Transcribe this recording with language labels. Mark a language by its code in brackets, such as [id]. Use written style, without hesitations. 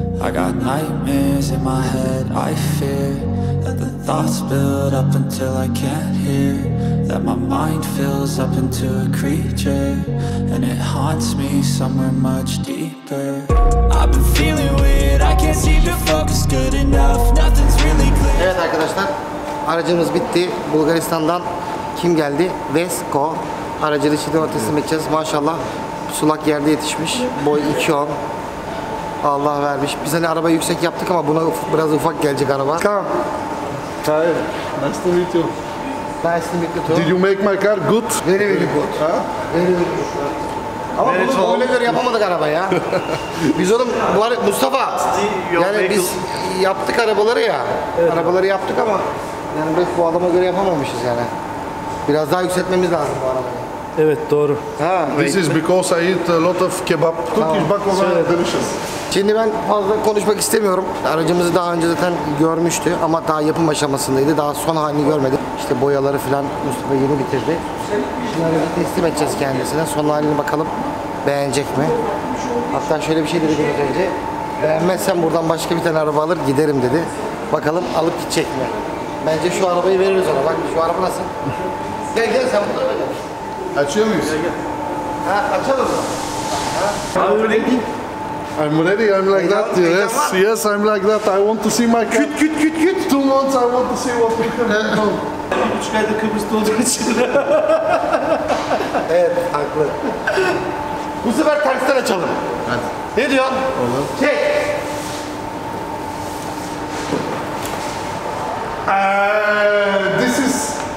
[en] I got nightmares in my head, I fear that the thoughts build up until I can't hear. That my mind fills up into a creature, and it haunts me somewhere much deeper. I've been feeling weird, I can't seem to focus good enough. Nothing's really clear. [tr] Evet arkadaşlar, aracımız bitti. Bulgaristan'dan kim geldi? Vesco. Aracını şimdi teslim edeceğiz. Maşallah sulak yerde yetişmiş. Boy 2.10. Allah vermiş. Biz hani araba yüksek yaptık ama buna biraz ufak gelecek araba. Tamam. Hayır. [en] Nice to meet you. Nice to meet you. Did you make my car good? Very very good. Ha? Very very good. [tr] Ama bunu böyle göre yapamadık araba ya. Biz oğlum bu araba, Mustafa. Yani biz yaptık arabaları ya. Evet. Arabaları yaptık ama yani biz bu adama göre yapamamışız yani. Biraz daha yükseltmemiz lazım bu arabayı. Evet, doğru. [en] Ha, this is because I eat a lot of kebab. [tr] Cookies, tamam. Bakma, evet. [en] Delicious. [tr] Şimdi ben fazla konuşmak istemiyorum. Aracımızı daha önce zaten görmüştü ama daha yapım aşamasındaydı. Daha son halini görmedim. İşte boyaları falan Mustafa yeni bitirdi. Şimdi teslim edeceğiz kendisine. Son halini bakalım beğenecek mi? Hatta şöyle bir şey dedi biraz önce. Beğenmezsen buradan başka bir tane araba alır giderim dedi. Bakalım alıp gidecek mi? Bence şu arabayı veririz ona. Bak şu araba nasıl? Gel sen bunu da ver. Açıyor muyuz? Ha, açalım. [en] Ha? Are you ready? I'm ready. I'm like that. Yes. Yes, I'm like that. I want to see my car. [tr] Küt. [en] 2 months I want to see what we can do. [tr] 3 ayda Kıbrıs'ta olduğu için. Evet, haklı. Bu sefer tersten açalım. Hadi. Ne diyorsun? Olur. Çek. [en] This is...